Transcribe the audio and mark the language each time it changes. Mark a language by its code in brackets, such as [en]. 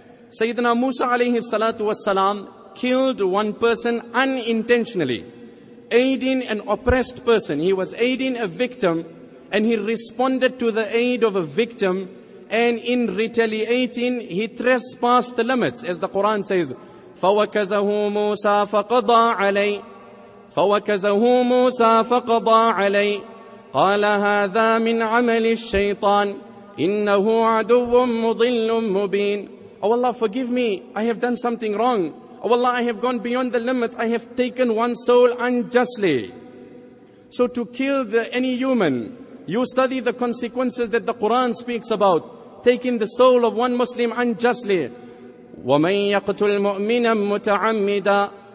[en] Sayyidina Musa alayhi salatu wasalam killed one person unintentionally, aiding an oppressed person. He was aiding a victim and he responded to the aid of a victim, and in retaliating, he trespassed the limits. [ar] As the Quran says, فَوَكَزَهُ مُوسَى فَقَضَى عَلَيْهِ فَوَكَزَهُ مُوسَى فَقَضَى عَلَيْهِ قَالَ هَذَا مِنْ عَمَلِ الشَّيْطَانِ إِنَّهُ عَدُوٌ مُضِلٌ مُبِينٌ. Oh Allah, forgive me. [en] I have done something wrong. Oh Allah, I have gone beyond the limits. I have taken one soul unjustly. So to kill any human, you study the consequences that the Quran speaks about. Taking the soul of one Muslim unjustly. [ar] وَمَنْ يَقْتُلْ مُؤْمِنًا مُتَعَمِّدًا.